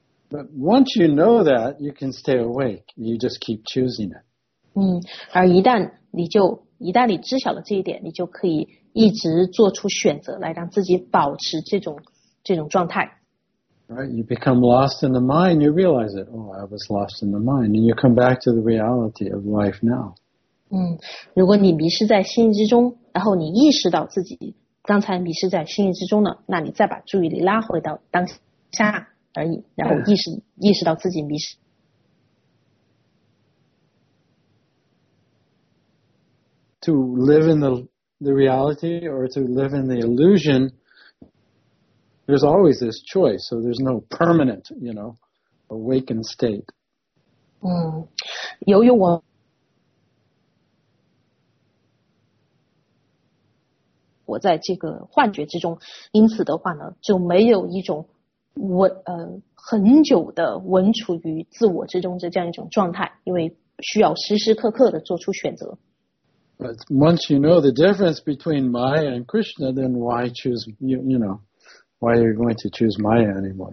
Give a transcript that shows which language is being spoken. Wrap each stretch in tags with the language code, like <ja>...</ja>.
<en>But once you know that, you can stay awake. You just keep choosing it.</en> <zh>而一旦你知晓了这一点，你就可以一直做出选择来让自己保持这种状态。</zh> <en>Right, you become lost in the mind, you realize it. Oh, I was lost in the mind. And you come back to the reality of life now.</en> <zh>如果你迷失在心意之中，然后你意识到自己刚才迷失在心意之中了，那你再把注意力拉回到当下而已，然后意识到自己迷失。</zh> <en>To live in the reality or to live in the illusion,There's always this choice, so there's no permanent, you know, awakened state.</en> <zh>由于我在这个幻觉之中，因此的话呢，就没有一种很久的稳处于自我之中的这样一种状态，因为需要时时刻刻的做出选择。</zh> <en>But once you know the difference between Maya and Krishna, then why choose, you know,Why are you going to choose Maya anymore?</en>